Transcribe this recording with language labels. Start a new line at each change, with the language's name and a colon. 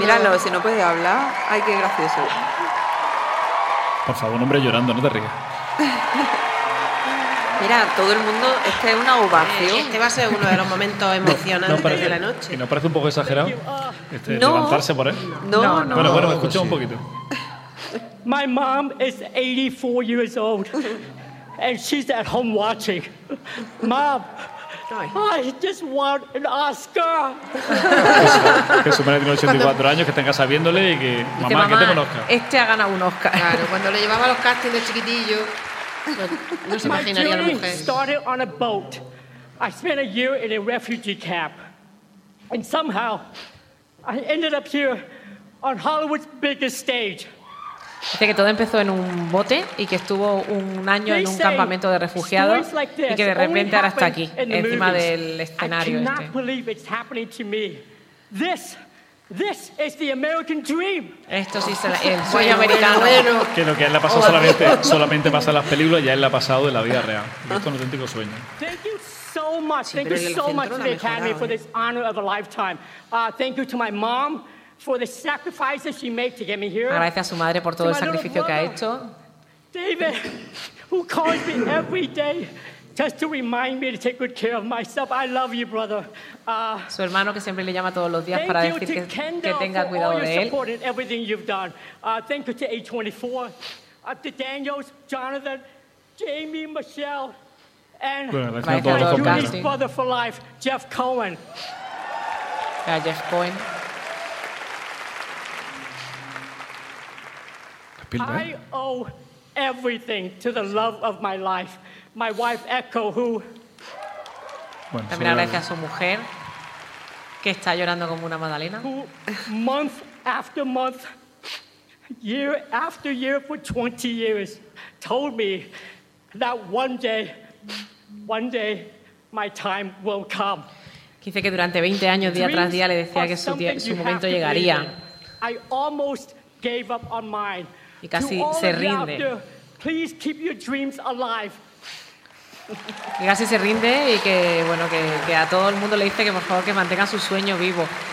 Spanish: Míralo, si no puede hablar, ¡ay, qué gracioso! Por favor, un hombre llorando, no te rías. Mira, todo el mundo, este es una ovación. Este va a ser uno de los momentos emocionantes de la noche. ¿Y no parece un poco exagerado levantarse por él? No. Bueno, escucha un poquito.
English: My mom is 84 years old, and she's at home watching. Mom, I just want an Oscar.
Spanish: Que su madre tiene 84 años, que tenga sabiéndole y que... Mamá, que tenga un Oscar. Este ha ganado un Oscar. Claro, cuando le llevaba los castings de chiquitillo, no se imaginaría la mujer.
English: My journey started on a boat. I spent a year in a refugee camp. And somehow, I ended up here on Hollywood's biggest stage.
Spanish: Dice que todo empezó en un bote y que estuvo un año en un campamento de refugiados y que de repente ahora está aquí, encima del escenario este.
English: I cannot believe it's happening to me. This This is the American Dream.
Spanish: Esto sí es el sueño americano. Que lo que él le ha pasado solamente pasa en las películas, ya él le ha pasado en la vida real. Esto es un auténtico sueño.
English: Thank you so much. Sí, thank you so much to the Academy for this honor of a lifetime. Thank you to my mom for the sacrifices she made to get me here.
Spanish: Gracias a su madre por todo el sacrificio que ha hecho.
English: David, who calls me every day just to remind me to take good care of myself. I love you, brother.
Spanish: Su hermano que siempre le llama todos los días para decir que tenga cuidado de él.
English: Thank you to Kendall for all your support and everything you've done. Thank you to A24, to Daniels, Jonathan, Jamie, Michelle, and my Judy's brother for life, Jeff Cohen. Jeff Cohen. I owe everything to the love of my life. My wife Echo, who.
Spanish: También agradece a su mujer, que está llorando como una magdalena.
English: Who, month after month, year after year for 20 years, told me that one day, my time will come.
Spanish: Dice que durante 20 años, día tras día, le decía que su momento llegaría.
English: I almost gave up on mine.
Spanish: Y casi se rinde.
English: Please keep your dreams alive.
Spanish: Y casi se rinde y que bueno que a todo el mundo le dice que por favor que mantenga su sueño vivo.